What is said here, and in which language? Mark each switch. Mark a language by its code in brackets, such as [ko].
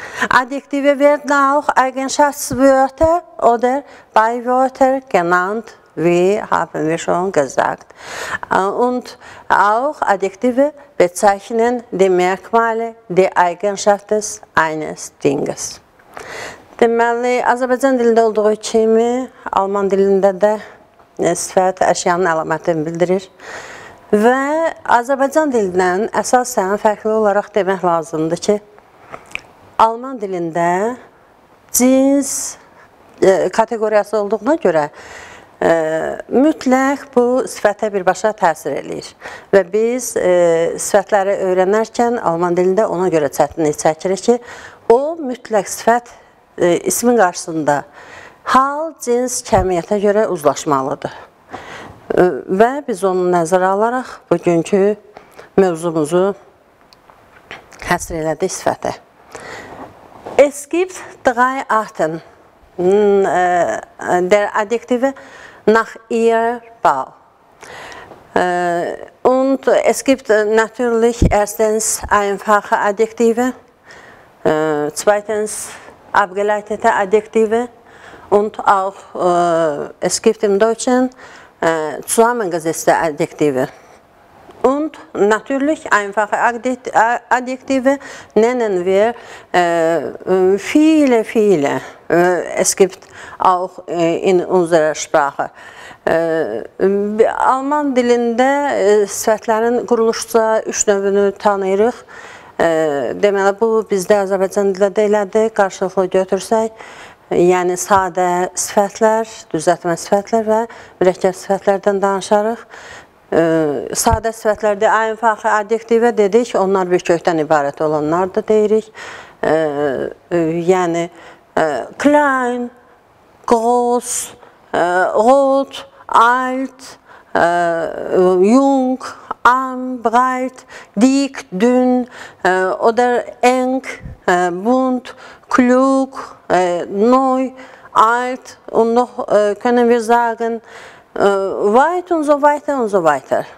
[de] Adjektive werden auch Eigenschaftswörter oder Beiwörter genannt, wie haben wir schon gesagt. Und auch Adjektive bezeichnen die Merkmale, die Eigenschaft des eines Dinges. [az] Deməli, Azərbaycan dilində olduğu kimi, Alman dilində də sifət əşyanın əlamətini bildirir. Və Azərbaycan dilindən əsasən fərqli olaraq demək lazımdır ki, Alman dilində cins kateqoriyası olduğuna görə, mütləq bu sifətə birbaşa təsir eləyir və biz sifətləri öyrənərkən Alman dilində ona görə çətinlik çəkirik ki, o mütləq sifət ismin qarşısında hal, cins, kəmiyyətə görə uzlaşmalıdır və biz onu nəzərə alaraq bugünkü mövzumuzu həsr elədik sifətə. [de] Es gibt drei Arten der Adjektive nach ihrer Bau. Und es gibt natürlich erstens einfache Adjektive, zweitens abgeleitete Adjektive und auch es gibt im Deutschen zusammengesetzte Adjektive. Und natürlich einfache Adjektive nennen wir viele, viele. Es gibt auch in unserer Sprache. [az] Alman dilində sifətlərin quruluşca üç növünü tanıyırıq. Deməli, bu bizdə Azərbaycan dilində deyilədi, qarşılıqlı götürsək. Yəni, sadə sifətlər, düzətmə sifətlər və mürəkkəb sifətlərdən danışarıq. Sadə sifətlərdə [de] einfache Adjektive [az] dedik, onlar bir kökdən ibarət olanlardır deyirik. [de] Yəni, klein, groß, rot, alt, jung, arm, breit, dick, dünn oder eng, bunt, klug, neu, alt und noch können wir sagen weit und so weiter und so weiter.